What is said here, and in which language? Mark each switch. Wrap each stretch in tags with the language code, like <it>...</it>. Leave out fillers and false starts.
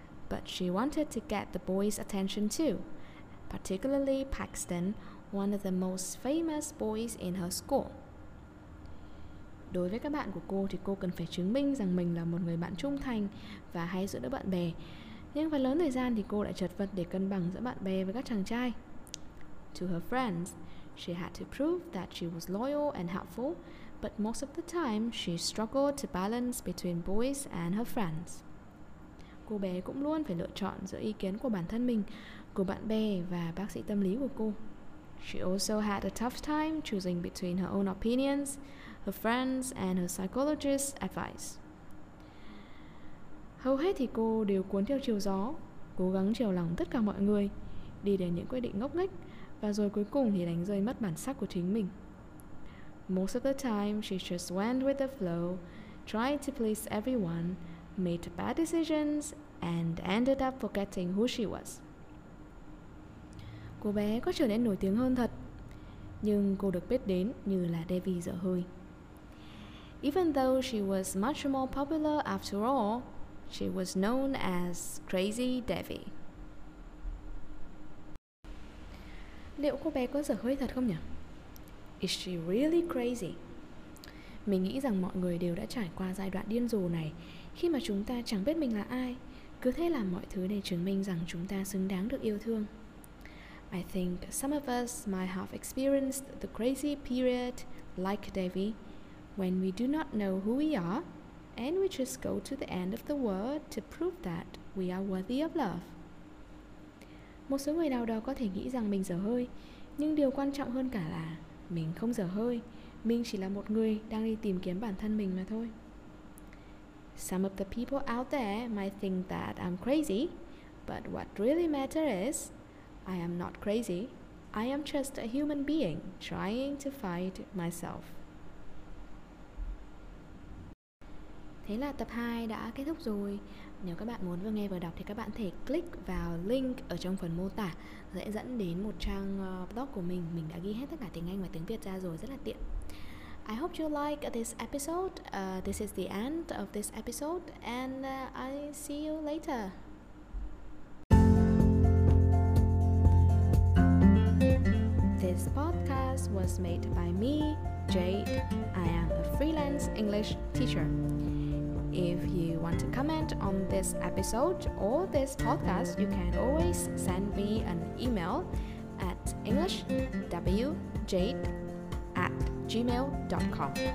<en>But she wanted to get the boys' attention too, particularly Paxton, one of the most famous boys in her school.</en> <vi>Đối với các bạn của cô thì cô cần phải chứng minh rằng mình là một người bạn trung thành và hay giúp đỡ bạn bè. Nhưng phần lớn thời gian thì cô lại chật vật để cân bằng giữa bạn bè với các chàng trai.</vi> <en>To her friends, she had to prove that she was loyal and helpful, but most of the time she struggled to balance between boys and her friends.</en> <vi>Cô bé cũng luôn phải lựa chọn giữa ý kiến của bản thân mình, của bạn bè và bác sĩ tâm lý của cô.</vi> <en>She also had a tough time choosing between her own opinions, her friends and her psychologist's advice.</en> <vi>Hầu hết thì cô đều cuốn theo chiều gió, cố gắng chiều lòng tất cả mọi người, đi đến những quyết định ngốc nghếch và rồi cuối cùng thì đánh rơi mất bản sắc của chính mình.</vi> <en>Most of the time, she just went with the flow, tried to please everyone, made bad decisions and ended up forgetting who she was.</en> <vi>Cô bé có trở nên nổi tiếng hơn thật, nhưng cô được biết đến như là Devi dở hơi.</vi> <en>Even though she was much more popular after all, she was known as Crazy Devi.</en> <vi>Liệu cô bé có dở hơi thật không nhỉ?</vi> <en>Is she really crazy?</en> <vi>Mình nghĩ rằng mọi người đều đã trải qua giai đoạn điên rồ này, khi mà chúng ta chẳng biết mình là ai, cứ thế làm mọi thứ để chứng minh rằng chúng ta xứng đáng được yêu thương.</vi> <en>I think some of us might have experienced the crazy period like Devi, when we do not know who we are, and we just go to the end of the world to prove that we are worthy of love.</en> <vi>Một số người nào đó có thể nghĩ rằng mình dở hơi, nhưng điều quan trọng hơn cả là mình không dở hơi, mình chỉ là một người đang đi tìm kiếm bản thân mình mà thôi.</vi> <en>Some of the people out there might think that I'm crazy, but what really matters is I am not crazy. I am just a human being trying to find myself.</en> <vi>Thế là tập 2 đã kết thúc rồi. Nếu các bạn muốn vừa nghe vừa đọc thì các bạn thể click vào link ở trong phần mô tả sẽ dẫn đến một trang blog của mình. Mình đã ghi hết tất cả tiếng Anh và tiếng Việt ra rồi, rất là tiện.</vi> <en>I hope you like this episode. This is the end of this episode and I see you later. This podcast was made by me, Jade. I am a freelance English teacher. If you want to comment on this episode or this podcast, you can always send me an email at englishwjade@gmail.com.</en>